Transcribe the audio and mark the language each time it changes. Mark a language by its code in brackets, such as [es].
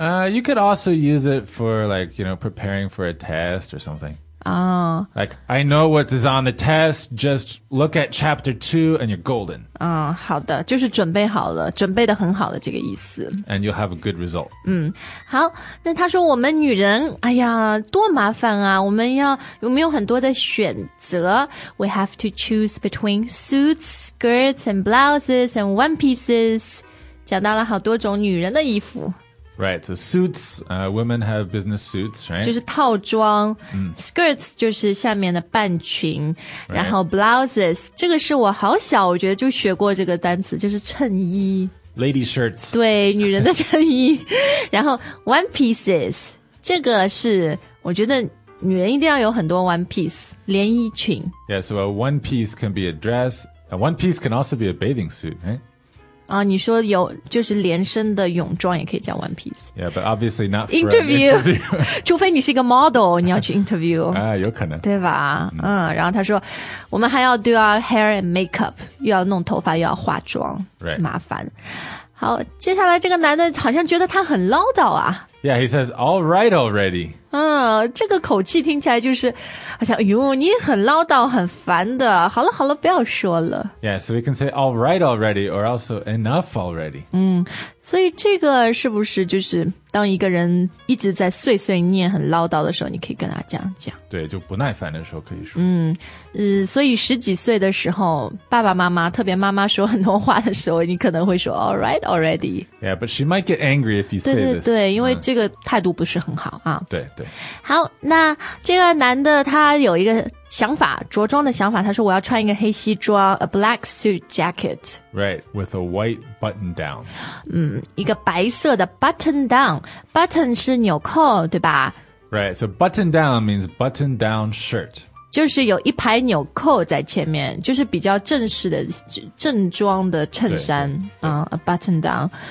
[en] You could also use it for like, you know, preparing for a test or something. Like, I know what is on the test, just look at chapter 2 and you're golden. [zh] 好的，就是准备好了，准备得很好的这个意思。 [en] And you'll have a good result. [zh] 好，那他说我们女人，哎呀，多麻烦啊，我们有很多的选择。 [en] We have to choose between suits, skirts, and blouses, and one pieces. [zh] 讲到了好多种女人的衣服。 [en] Right, so suits, women have business suits, right? [zh] 就是套装、skirts 就是下面的半裙、right. 然后 blouses, 这个是我好小我觉得就学过这个单词就是衬衣 [en] Lady shirts [zh] 对女人的衬衣然后 one pieces, 这个是我觉得女人一定要有很多 one piece, 连衣裙 [en] Yeah, so a one piece can be a dress, a one piece can also be a bathing suit, right? [zh] 你说有就是连身的泳装也可以叫 one piece. [en] Yeah, but obviously not for interview. Interview. [zh] 除非你是一个 model, 你要去 interview. 有可能。对吧、然后他说我们还要 [en] do our hair and makeup, [zh] 又要弄头发又要化妆、 [en] right. [zh] 麻烦。好接下来这个男的好像觉得他很唠叨啊。 [en] Yeah, he says, all right already. [zh] 这个口气听起来就是好像哎呦你很唠叨很烦的。好了好了不要说了。 [en] Yeah, so we can say all right already or also enough already. [zh] 所以这个是不是就是当一个人一直在碎碎念很唠叨的时候你可以跟他这样讲。对就不耐烦的时候可以说。所以十几岁的时候爸爸妈妈特别妈妈说很多话的时候你可能会说 [en] all right already. Yeah, but she might get angry if you say this. [zh] 对对对因为这个态度不是很好啊。对对。好那这个男的他有一个想法着装的想法他说我要穿一个黑西装 [en] a black suit jacket. Right, with a white button down. [zh] 一个白色的 button down. Button 是纽扣对吧 [en] Right, so button down means button down shirt. [zh] 就是有一排纽扣在前面就是比较正式的正装的衬衫。 [en] A button down.